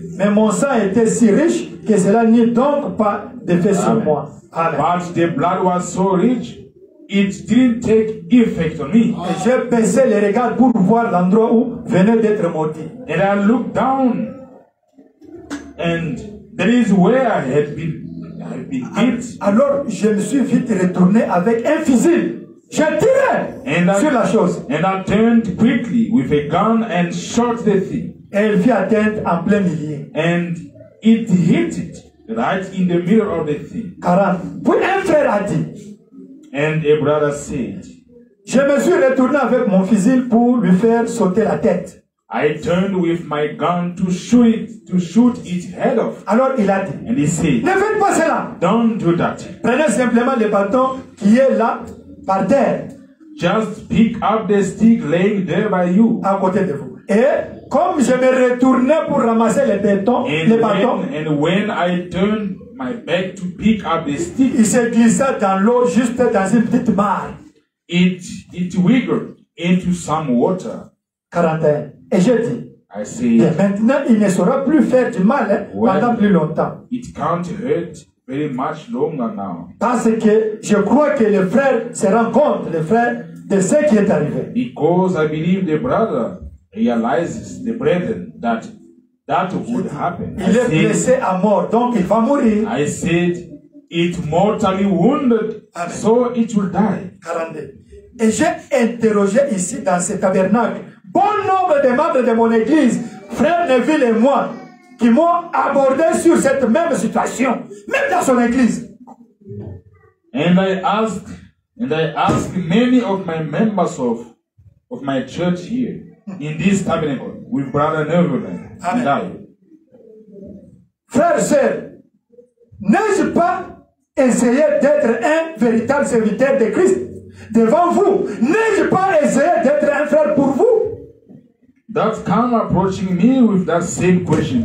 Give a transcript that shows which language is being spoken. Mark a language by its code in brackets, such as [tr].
[fr] Mais mon sang était si riche que cela n'eut donc pas d'effet sur moi. [en] Amen. But the blood was so rich. It didn't take effect on me. [fr] Et j'ai baissé les regards pour voir l'endroit où venait d'être mordu. [en] And I looked down, and there is where I had been hit. [fr] Alors je me suis vite retourné avec un fusil. J'ai tiré sur la chose. [en] And I turned quickly with a gun and shot the thing. [fr] Et elle fit atteinte en plein milieu. [en] And it hit it right in the middle of the thing. [fr] Car puis un frère a dit. [en] And a brother said, [fr] je me suis retourné avec mon fusil pour lui faire sauter la tête. [en] I turned with my gun to shoot it head off. [fr] Alors il a dit, [en] and he said, [fr] ne faites pas cela. [en] Don't do that. [fr] Prenez simplement le bâton qui est là par terre. [en] Just pick up the stick laying there by you. [fr] À côté de vous. Et comme je me retournais pour ramasser le bâton, [en] and when I turned my back to pick up the stick. [fr] Il s'est glissé dans l'eau juste dans une petite mare. [en] It wiggled into some water. [fr] 41. Et je dis, [en] I said, [fr] et maintenant il ne saura plus faire du mal pendant plus longtemps. [en] It can't hurt very much longer now. [fr] Parce que je crois que le frère se rend compte, le frère, de ce qui est arrivé. [en] Because I believe the brother realizes the brethren that that would happen. [fr] Il est blessé à mort, donc il va mourir. [en] I said, it mortally wounded, amen. So it will die. 42. [fr] Et j'ai interrogé ici dans ce tabernacle bon nombre de membres de mon église, frères Neville et moi, qui m'ont abordé sur cette même situation, même dans son église. [en] And I asked many of my members of my church here in this tabernacle with Brother Neville and I. [fr] Frères et sœurs, n'ai-je pas essayé d'être un véritable serviteur de Christ devant vous? N'ai-je pas essayé d'être un frère pour vous? [en] That come approaching me with that same question.